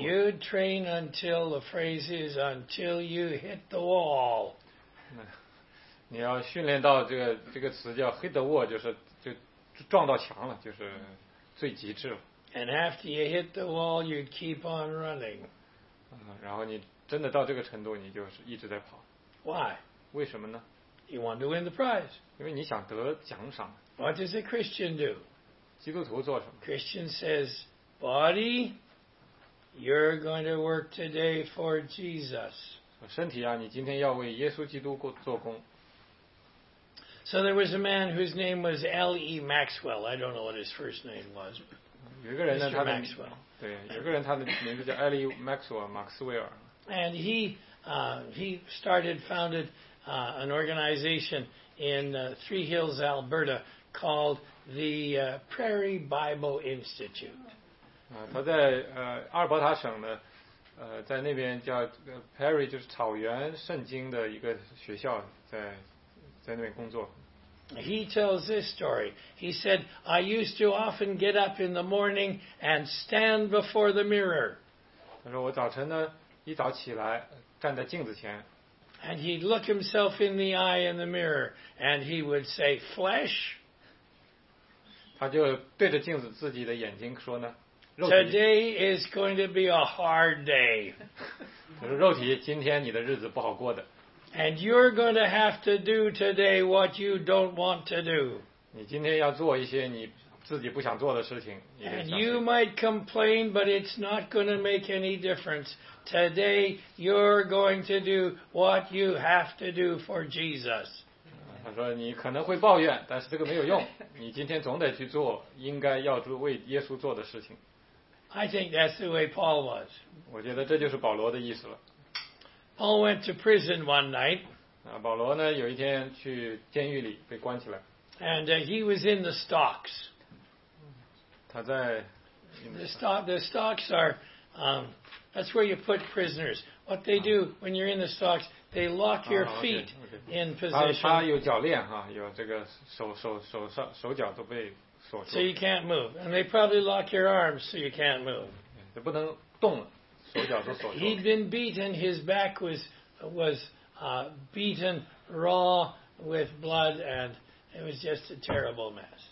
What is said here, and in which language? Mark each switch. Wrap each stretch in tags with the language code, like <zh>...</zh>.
<en>You'd train until the phrase is until you hit the wall.</en> <zh>你要训练到这个词叫</zh> <en>hit the wall，</en> <zh>就是就撞到墙了，就是最极致了。</zh> <en>And after you hit the wall, you'd keep on running.</en> <zh>然后你真的到这个程度，你就是一直在跑。</zh> <en>Why?</en> <zh>为什么呢？</zh> <en>You want to win the prize.</en> <zh>因为你想得奖赏。</zh> <en>What does a Christian do?</en> <zh>基督徒做什么？</zh> <en>Christian says, Body, you're going to work today for Jesus.</en> <zh>身体啊，你今天要为耶稣基督做工。</zh> <en>So there was a man whose name was L.E. Maxwell. I don't know what his first name was. Mr. Maxwell. And he started, founded an organization in Three Hills, Alberta, called the Prairie Bible Institute.</en> <zh>他在阿尔伯塔省的在那边叫 Prairie， 就是草原圣经的一个学校，在那边工作。</zh> <en>He tells this story. He said, I used to often get up in the morning and stand before the mirror.</en> <zh>他说我早晨呢，一早起来，站在镜子前。</zh> <en>And he'd look himself in the eye in the mirror, and he would say, flesh.</en> <zh>他就对着镜子自己的眼睛说呢，肉体。</zh> <en>Today is going to be a hard day.</en> <zh>他说肉体，今天你的日子不好过的。</zh> <en>And you're going to have to do today what you don't want to do.</en> <zh>你今天要做一些你自己不想做的事情。</zh> <en>And you might complain, but it's not going to make any difference. Today, you're going to do what you have to do for Jesus.</en> <zh>他说你可能会抱怨，但是这个没有用。你今天总得去做应该要为耶稣做的事情。</zh> <en>I think that's the way Paul was.</en> <zh>我觉得这就是保罗的意思了。</zh> <en>Paul went to prison one night.</en> <zh>保罗呢，有一天去监狱里被关起来。</zh> <en>And he was in the stocks.</en> <zh>他在。</zh> <en>The stocks are, that's where you put prisoners. What they do when you're in the stocks, they lock your feet in position.</en> <zh>他有脚链哈，有这个手脚都被锁住。</zh> <en>So you can't move, and they probably lock your arms so you can't move.</en> <zh>这不能动了。</zh> <en>He'd been beaten, his back was beaten raw with blood, and it was just a terrible mess.</en>